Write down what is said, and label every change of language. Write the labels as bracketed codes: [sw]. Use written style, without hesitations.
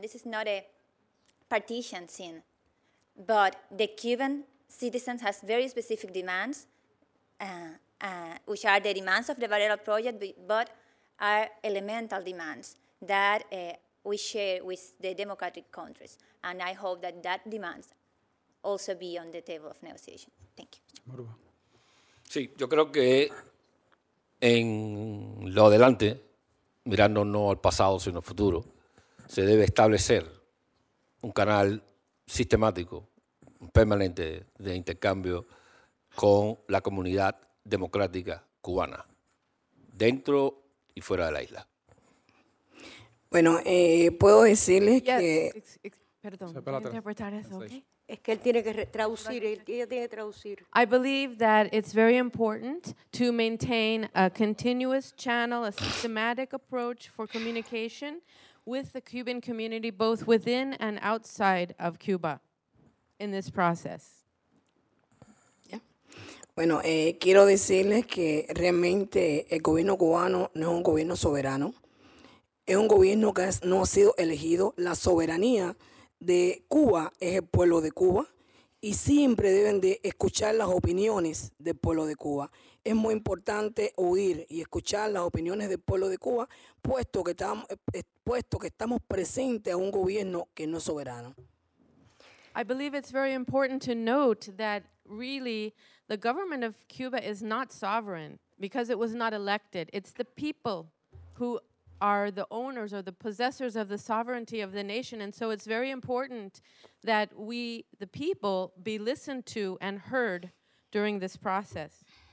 [en] This is not a partition scene, but the Cuban citizens has very specific demands, which are the demands of the Varela Project, but are elemental demands that we share with the democratic countries. And I hope that that demands also be on the table of negotiation. Thank you. [es] Sí, yo creo que en lo adelante, mirando no al pasado sino al futuro, se debe establecer un canal sistemático, permanente de intercambio con la comunidad democrática cubana, dentro y fuera de la isla. Bueno, puedo decirles que... Perdón, interpretar eso, ¿ok? Es que él tiene que traducir, ella tiene que traducir. [en] I believe that it's very important to maintain a continuous channel, a systematic approach for communication with the Cuban community, both within and outside of Cuba, in this process. Yeah. [es] Bueno, quiero decirles que realmente el gobierno cubano no es un gobierno soberano. Es un gobierno que no ha sido elegido. La soberanía de Cuba es el pueblo de Cuba y siempre deben de escuchar las opiniones del pueblo de Cuba. Es muy importante oír y escuchar las opiniones del pueblo de Cuba, puesto que estamos presentes a un gobierno que no es soberano. [en] I believe it's very important to note that really the government of Cuba is not sovereign because it was not elected. It's the people who are the owners or the possessors of the sovereignty of the nation. And so it's very important that we, the people, be listened to and heard during this process.